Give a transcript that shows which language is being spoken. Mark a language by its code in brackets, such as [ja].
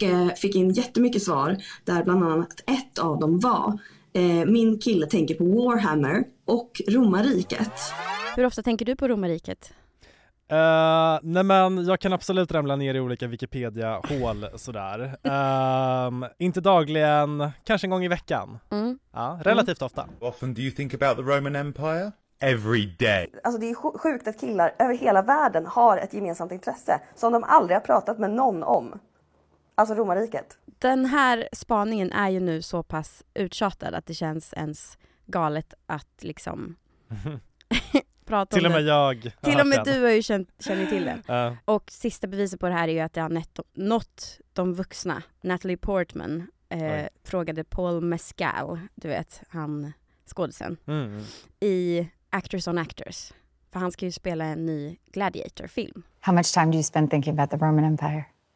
[sv] Och fick in jättemycket svar där bland annat ett av dem var min kille tänker på Warhammer och Romariket. Hur ofta tänker du på Romariket? Nej men jag kan absolut ramla ner i olika Wikipedia-hål sådär. Inte dagligen, kanske en gång i veckan. Mm. Ja, relativt ofta. [en] How often do you think about the Roman Empire? every day. [sv] Alltså det är sjukt att killar över hela världen har ett gemensamt intresse som de aldrig har pratat med någon om. Alltså romarriket. Den här spaningen är ju nu så pass uttjatad att det känns ens galet att liksom prata till om och det. Jag till och med den. Du har ju känner till det. Och sista beviset på det här är ju att det har nått de vuxna. Natalie Portman frågade Paul Mescal, du vet, han skådisen, i Actors on Actors. För han ska ju spela en ny Gladiator-film. [en] How much time do you spend thinking about the Roman Empire?